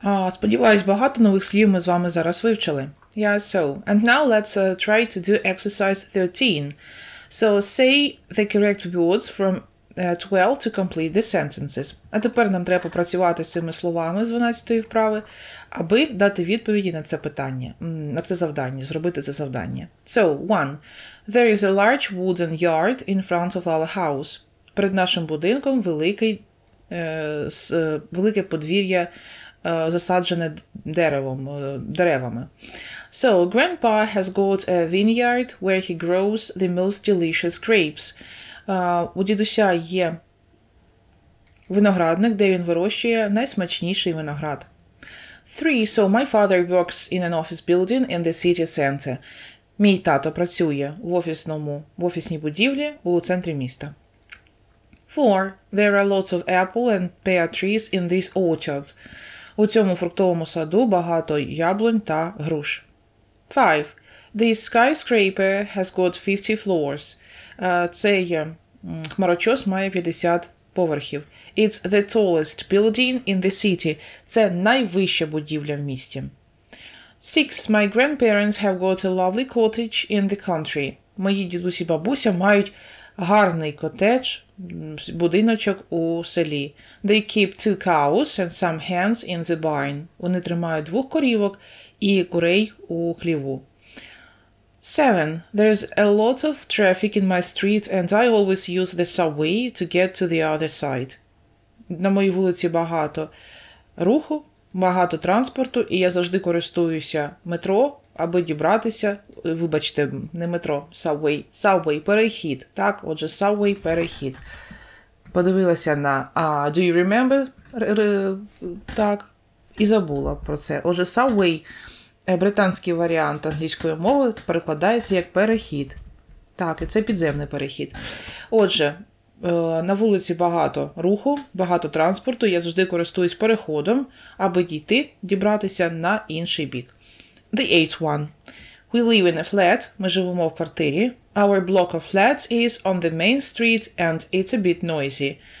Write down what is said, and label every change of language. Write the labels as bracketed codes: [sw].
[uk] Сподіваюсь, багато нових слів ми з вами зараз вивчили. [en] Yeah, so, and now let's try to do exercise 13. So, say the correct words from 12 to complete the sentences. [uk] А тепер нам треба попрацювати з цими словами з 12-ї вправи, аби дати відповіді на це питання, на це завдання, зробити це завдання. [en] So, one. There is a large wooden yard in front of our house. [uk] Перед нашим будинком велике подвір'я, засаджене деревами. [en] So, grandpa has got a vineyard where he grows the most delicious grapes. [uk] У дідуся є виноградник, де він вирощує найсмачніший виноград. [en] 3. So my father works in an office building in the city center. [uk] Мій тато працює в офісній будівлі у центрі міста. [en] 4. There are lots of apple and pear trees in this orchard. [uk] У цьому фруктовому саду багато яблунь та груш. [en] 5. This skyscraper has got 50 floors. [uk] Це є хмарочос, має 50 поверхів. [en] It's the tallest building in the city. [uk] Це найвища будівля в місті. [en] 6. My grandparents have got a lovely cottage in the country. [uk] Мої дідусі і бабуся мають гарний котедж, будиночок у селі. [en] They keep two cows and some hens in the barn. [uk] Вони тримають двох корівок і курей у хліву. 7. [en] There's a lot of traffic in my street and I always use the subway to get to the other side. [uk] На моїй вулиці багато руху, багато транспорту, і я завжди користуюся метро, аби дібратися, вибачте, не метро, subway. Subway – перехід. Так, отже, subway – перехід. Подивилася на [en] do you remember? [uk] Так, і забула про це. Отже, subway – британський варіант англійської мови, перекладається як перехід. Так, і це підземний перехід. Отже, на вулиці багато руху, багато транспорту, я завжди користуюсь переходом, аби дійти, дібратися на інший бік. [en] The eighth one. We live in a flat. [uk] Ми живемо в квартирі. [en] Our block of flats is on the main street and it's a bit noisy.